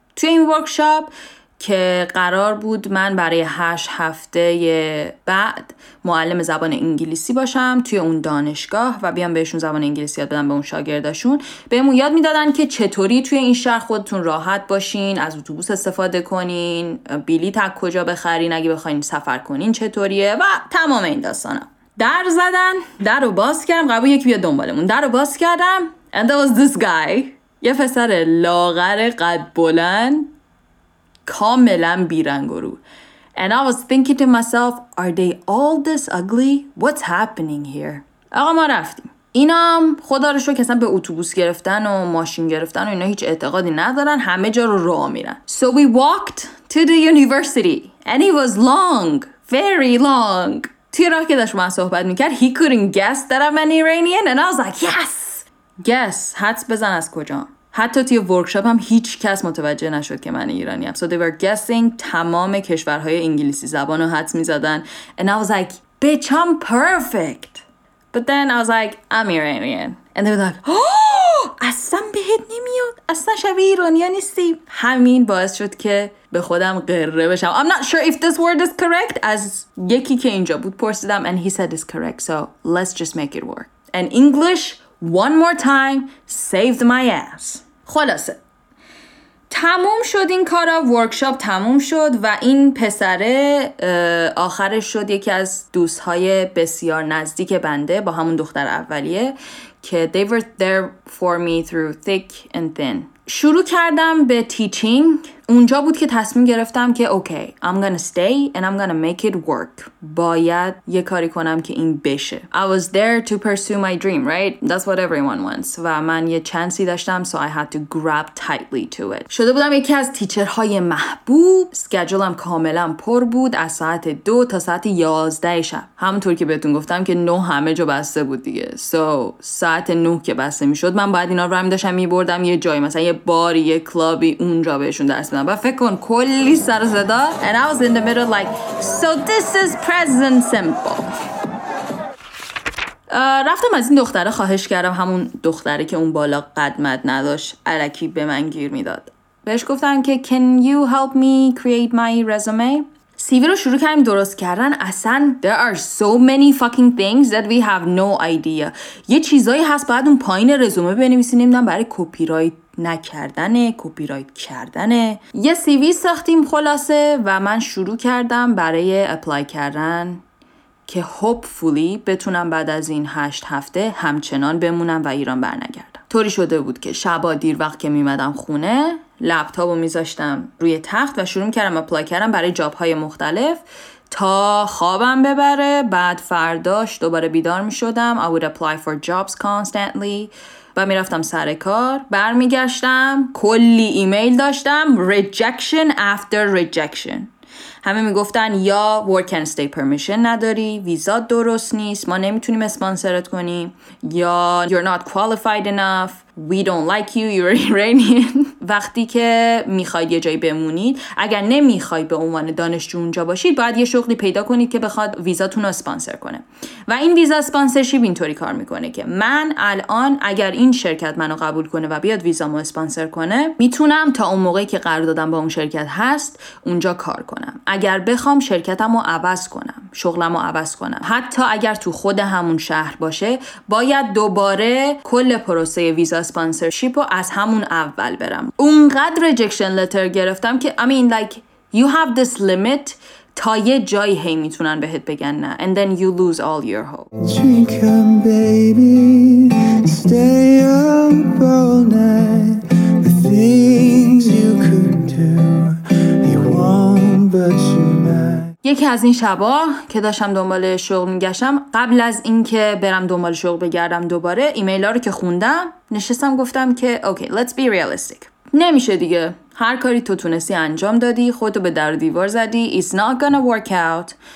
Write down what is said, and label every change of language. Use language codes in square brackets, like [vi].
[fa] توی این ورکشاپ که قرار بود من برای 8 هفته بعد معلم زبان انگلیسی باشم توی اون دانشگاه و بیام بهشون زبان انگلیسی یاد بدم به اون شاگرداشون، بهمون یاد میدادن که چطوری توی این شهر خودتون راحت باشین، از اتوبوس استفاده کنین، بلیط از کجا بخرین، اگه بخواین سفر کنین چطوریه و تمام این داستانا. در زدن، در رو باز کردم، قبول یکی بیاد دنبالمون. در رو باز کردم [en] and there was this guy. یه پسر لاغر قد بلند، کاملا بیرنگ رو. And I was thinking to myself, are they all this ugly? What's happening here? [fa] آقا ما رفتیم. اینا هم خدا رو شکر اصلا به اتوبوس گرفتن و ماشین گرفتن و اینا هیچ اعتقادی ندارن، همه جا رو راه میرن. [en] So we walked to the university and it was long, very long. [fa] توی راه که داشت ما صحبت میکرد [en] he couldn't guess that I'm an Iranian and I was like yes! Guess, [fa] حدس بزن از کجا؟ حتی توی ورکشاپ هم هیچ کس متوجه نشد که من ایرانی هم. [en] So they were guessing [fa] تمام کشورهای انگلیسی زبان رو حدس می زدن. [en] And I was like, bitch, I'm perfect. But then I was like, I'm Iranian. And they were like, oh, [fa] اصلا بهت نمیاد. اصلا شبیه ایرانی ها نیستی. همین باعث شد که به خودم قره بشم. [en] I'm not sure if this word is correct. [fa] از یکی که اینجا بود پرسیدم. [en] And he said it's correct. So let's just make it work. And English... One more time, saved my ass. [fa] خلاصه. تموم شد این کارا، ورکشاپ تموم شد و این پسره آخرش شد یکی از دوستهای بسیار نزدیک بنده، با همون دختر اولیه که [en] they were there for me through thick and thin. [fa] شروع کردم به تیچینگ. اونجا بود که تصمیم گرفتم که اوکی [en] I'm gonna stay and I'm gonna make it work. [fa] باید یه کاری کنم که این بشه. [en] I was there to pursue my dream, right? That's what everyone wants. [fa] و من یه چانسی داشتم, [en] so I had to grab tightly to it. [fa] شده بودم یکی از تیچرهای محبوب. اسکیجولم کاملا پر بود از ساعت 2 تا ساعت 11 شب. همونطور که بهتون گفتم که 9 همه جا بسته بود دیگه. So ساعت 9 که بسته میشد من باید اینا رو برمی‌داشتم می‌بردم یه جای, مثلا یه باری, یه کلابی اونجا بهشون درس بدم. بعد فکر کن کلی سر و صدا. [en] And I was in the middle like, so this is present simple. [fa] رفتم از این دختره خواهش کردم, همون دختره که اون بالا قدمت نداشت علکی به من گیر میداد. بهش گفتم که [en] can you help me create my resume? [fa] سیوی رو شروع کردیم درست کردن. [en] اصلا there are so many fucking things that we have no idea. [fa] یه چیزایی هست بعد اون پایین رزومه بنویسی, نمیدونم برای کپی رایت نکردنه, کپی رایت کردنه. یه سیوی ساختیم خلاصه و من شروع کردم برای اپلای کردن که hopefully بتونم بعد از این 8 هفته همچنان بمونم و ایران برنگردم. طوری شده بود که شبا دیر وقت که میمدم خونه لپتاپو میذاشتم روی تخت و شروع کردم اپلای کردم برای جاب های مختلف تا خوابم ببره. بعد فرداش دوباره بیدار میشدم, [en] I would apply for jobs constantly, [fa] و میرفتم سر کار, برمیگشتم کلی ایمیل داشتم, [en] rejection after rejection. [fa] همه میگفتن یا [en] work and stay permission نداری, [fa] ویزا درست نیست, ما نمیتونیم اسپانسرت کنیم, [en] یا you're not qualified enough, we don't like you, you're Iranian. [fa] وقتی که میخواید یه جایی بمونید, اگر نمیخواید به عنوان دانشجو اونجا باشید, باید یه شغلی پیدا کنید که بخواد ویزاتون رو اسپانسر کنه. و این ویزا اسپانسرشیپ اینطوری کار میکنه که من الان اگر این شرکت منو قبول کنه و بیاد ویزامو اسپانسر کنه, میتونم تا اون موقعی که قراردادم با اون شرکت هست اونجا کار کنم. اگر بخوام شرکتمو عوض کنم, شغلمو عوض کنم, حتی اگر تو خود همون شهر باشه, باید دوباره کل پروسه ویزا اسپانسرشیپ رو از همون اول برم. اونقدر ریجکشن لتر گرفتم که [en] you have this limit, [fa] تا یه جایی هی میتونن بهت بگن نه, [en] and then you lose all your hope. Chicken baby, stay up all night, the things you could do, you won't but you might. [fa] یکی از این شبا که داشتم دنبال شغل میگشتم, قبل از اینکه برم دنبال شغل بگردم دوباره, ایمیل ها رو که خوندم نشستم گفتم که اوکی, [en] let's be realistic. [fa] نمیشه دیگه, هر کاری تو تونستی انجام دادی, خودتو به در دیوار زدی, [en] it's not gonna work out.